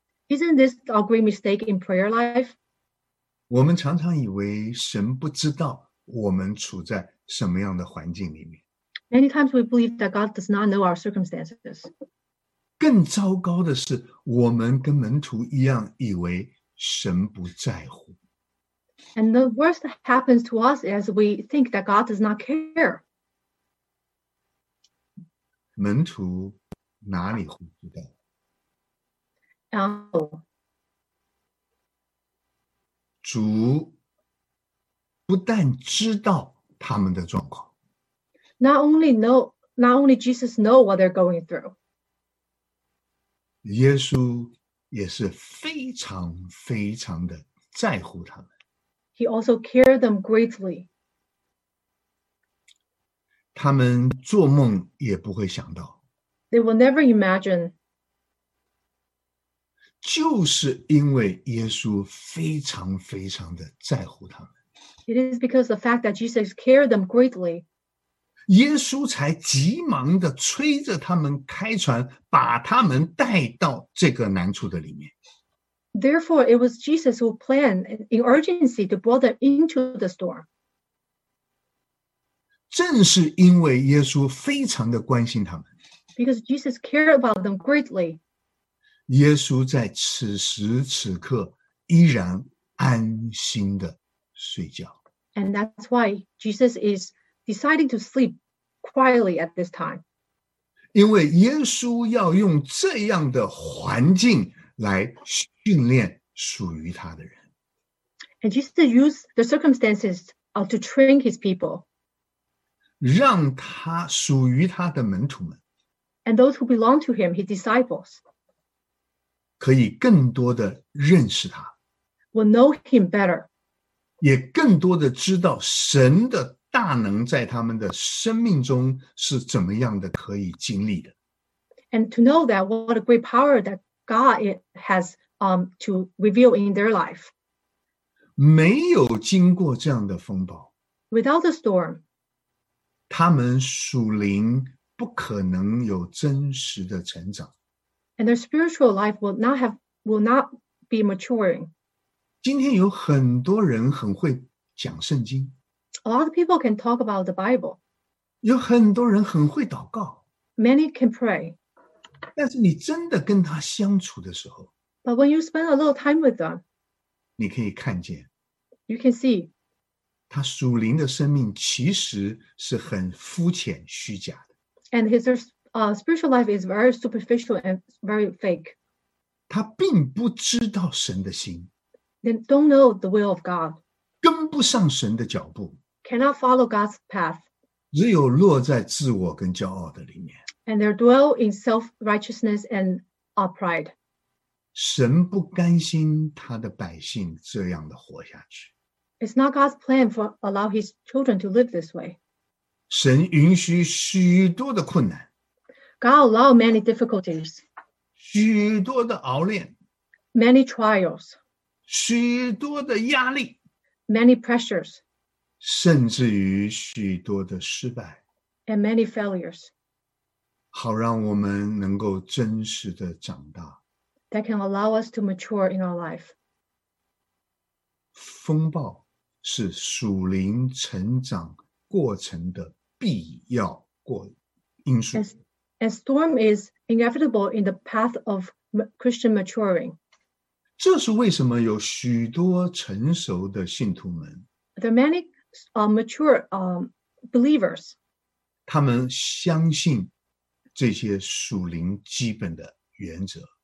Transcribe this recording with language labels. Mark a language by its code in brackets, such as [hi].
[en] Isn't this a great mistake in prayer life? [zh] 我们常常以为神不知道我们处在什么样的环境里面。 [en] Many times we believe that God does not know our circumstances. [zh] 更糟糕的是，我们跟门徒一样以为神不在乎。 [en] And the worst that happens to us is we think that God does not care. [zh] 门徒哪里会知道？主不但知道他们的状况。 [en] Not only Jesus know what they're going through. [zh] 耶稣也是非常非常的在乎他们。 [en] He also cared them greatly. [zh] 他们做梦也不会想到。 [en] They will never imagine. [zh] 就是因为耶稣非常非常的在乎他们。 [en] It is because the fact that Jesus cared them greatly. [zh] 耶稣才急忙的催着他们开船，把他们带到这个难处的里面。 [en] Therefore, it was Jesus who planned in urgency to bring them into the storm. [zh] 正是因为耶稣非常的关心他们。 [en] Because Jesus cared about them greatly. [zh] 耶稣在此时此刻依然安心的睡觉。 [en] And that's why Jesus is deciding to sleep quietly at this time. [zh] 因为耶稣要用这样的环境来训练属于他的人。 [en] And Jesus used the circumstances to train his people. [zh] 让他属于他的门徒们 [en] and those who belong to him, his disciples, [zh] 可以更多的认识他， [en] will know him better, [zh] 也更多的知道神的大能在他们的生命中是怎么样的可以经历的。 [en] And to know that what a great power that God has to reveal in their life. [zh] 没有经过这样的风暴， [en] without the storm, [zh] 他们属灵不可能有真实的成长。 [en] And their spiritual life will not be maturing. [zh] 今天有很多人很会讲圣经。 [en] A lot of people can talk about the Bible. [zh] 有很多人很会祷告。 [en] Many can pray. [zh] 但是你真的跟他相处的时候， [en] But when you spend a little time with them, [zh] 你可以看见， [en] You can see, [zh] 他属灵的生命其实是很肤浅虚假的。 [en] And his spiritual life is very superficial and very fake. [zh] 他并不知道神的心， [en] They don't know the will of God. [zh] 跟不上神的脚步， [en] Cannot follow God's path. [zh] 只有落在自我跟骄傲的里面。 [en] And they dwell in self-righteousness and pride. [zh] 神不甘心他的百姓这样的活下去。 [en] It's not God's plan to allow his children to live this way. [zh] 神允许许多的困难。 [en] God allowed many difficulties. [zh] 许多的熬炼。 [en] Many trials. [zh] 许多的压力。 [en] Many pressures. [zh] 甚至于许多的失败。 [en] And many failures. [zh] 好让我们能够真实的长大。 [en] That can allow us to mature in our life. [zh] 风暴是属灵成长过程的必要过因素。 [en] A storm is inevitable in the path of Christian maturing. [zh] 这是为什么有许多成熟的信徒们。 [en] There are many mature believers. [zh] 他们相信这些属灵基本的原则。